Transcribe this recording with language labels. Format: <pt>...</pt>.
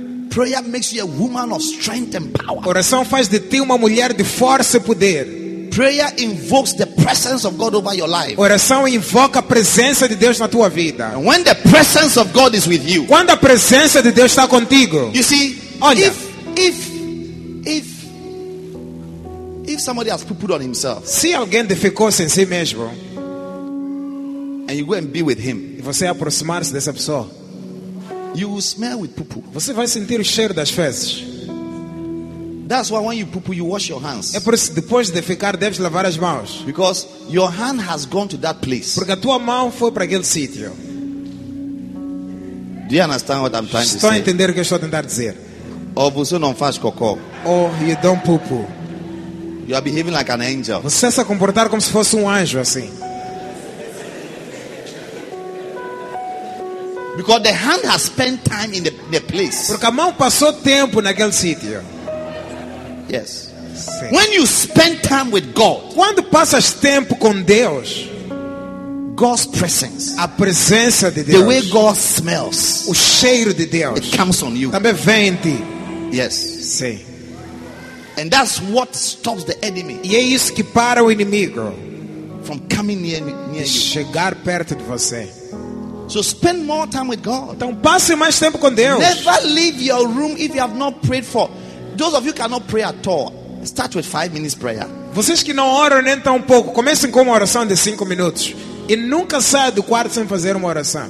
<en>Prayer makes you a woman of strength and power.</en> <pt>Oração faz de ti uma mulher de força e poder.</pt> <en>Prayer invokes the presence of God over your life.</en> <pt>Oração invoca a presença de Deus na tua vida.</pt> <en>And when the presence of God is with you.</en> <pt>Quando a presença de Deus está contigo.</pt> <en>You see,</en> <pt>olha,</pt> <en>if somebody has put on himself.</en> <pt>Se alguém defecou-se em si mesmo.</pt> <en>And you go and be with him.</en> <pt>E você aproximar-se dessa pessoa.</pt> <en>You will smell with poo-poo.</en> <pt>Você vai sentir o cheiro das fezes.</pt> <en>That's why when you poo-poo, you wash your hands.</en> <pt>É por isso que depois de ficar, deves lavar as mãos.</pt> <en>Because your hand has gone to that place.</en> <pt>Porque a tua mão foi para aquele sítio.</pt> <en>Do you understand what I'm trying</en> <pt>estou</pt> <en>to say?</en> <pt>Estou a entender o que eu estou a tentar dizer. Ou você não faz cocô.</pt> <en>Oh, you don't poo-poo. You are behaving like an angel.</en> <pt>Você se comportar como se fosse anjo assim.</pt> <en>Because the hand has spent time in the place.</en> <pt>Porque a mão passou tempo naquele sítio.</pt> <en>Yes.</en> <pt>Sim.</pt> <en>When you spend time with God.</en> <pt>Quando passas tempo com Deus.</pt> <en>God's presence.</en> <pt>A presença de Deus.</pt> <en>The way God smells.</en> <pt>O cheiro de Deus.</pt> <en>It comes on you.</en> <pt>Também vem em ti.</pt> <en>Yes.</en> <pt>Sim.</pt> <en>And that's what stops the enemy.</en> <pt>E é isso que para o inimigo.</pt> <en>From coming near you.</en> <pt>Chegar perto de você.</pt> <en>So spend more time with God.</en> <pt>Então passe mais tempo com Deus.</pt> <en>Never leave your room if you have not prayed for. Those of you who cannot pray at all, start with 5 minutes prayer.</en> <pt>Vocês que não oram nem tão pouco, comecem com uma oração de 5 minutos e nunca saia do quarto sem fazer uma oração.</pt>